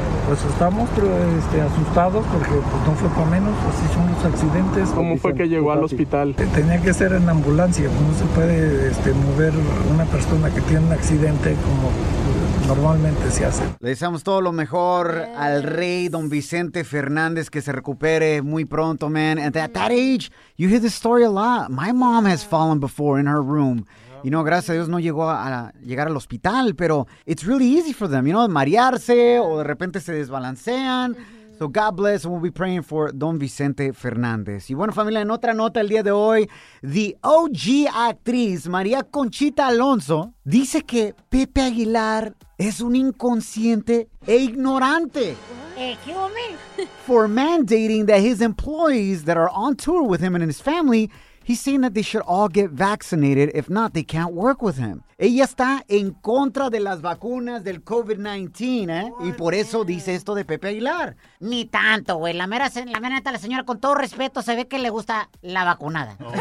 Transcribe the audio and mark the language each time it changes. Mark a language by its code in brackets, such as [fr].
[es] Pues estamos asustados porque no fue para menos, así son los accidentes. ¿Cómo fue que llegó al hospital? Tenía que ser en ambulancia, no se puede mover una persona que tiene un accidente como normalmente se hace. Le deseamos todo lo mejor al rey, don Vicente Fernández, que se recupere muy pronto, man. [en] At that age, you hear this story a lot. My mom has fallen before in her room. You know, [es] gracias a Dios no llegó a llegar al hospital, pero [en] it's really easy for them, you know, [es] marearse o de repente se desbalancean. [en] So God bless, and we'll be praying for Don Vicente Fernández. [es] Y bueno, familia, en otra nota el día de hoy, the OG actriz María Conchita Alonso dice que Pepe Aguilar es un inconsciente e ignorante. [en] For mandating that his employees that are on tour with him and his family, he's saying that they should all get vaccinated. If not, they can't work with him. [es] Ella está en contra de las vacunas del COVID-19, ¿eh? Y por eso dice esto de Pepe Aguilar. Ni tanto, güey. La señora, con todo respeto, se ve que le gusta la vacunada.